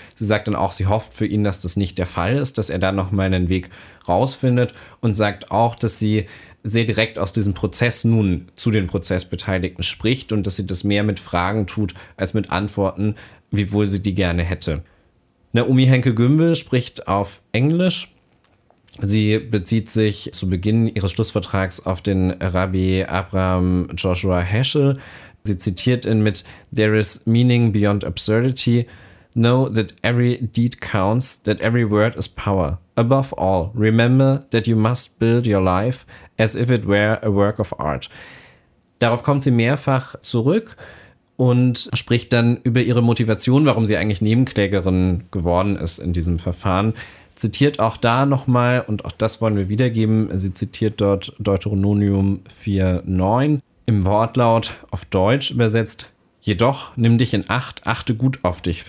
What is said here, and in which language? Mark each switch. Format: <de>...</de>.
<de>Sie sagt dann auch, sie hofft für ihn, dass das nicht der Fall ist, dass er da nochmal einen Weg rausfindet, und sagt auch, dass sie sehr direkt aus diesem Prozess nun zu den Prozessbeteiligten spricht und dass sie das mehr mit Fragen tut als mit Antworten, wiewohl sie die gerne hätte. Naomi Henkel-Gümbel spricht auf Englisch. Sie bezieht sich zu Beginn ihres Schlussvortrags auf den Rabbi Abraham Joshua Heschel. Sie zitiert ihn mit:</de> <en>There is meaning beyond absurdity. Know that every deed counts, that every word is power. Above all, remember that you must build your life as if it were a work of art.</en> <de>Darauf kommt sie mehrfach zurück und spricht dann über ihre Motivation, warum sie eigentlich Nebenklägerin geworden ist in diesem Verfahren. Zitiert auch da nochmal, und auch das wollen wir wiedergeben, sie zitiert dort Deuteronomium 4,9 im Wortlaut auf Deutsch übersetzt: Jedoch nimm dich in Acht, achte gut auf dich.</de>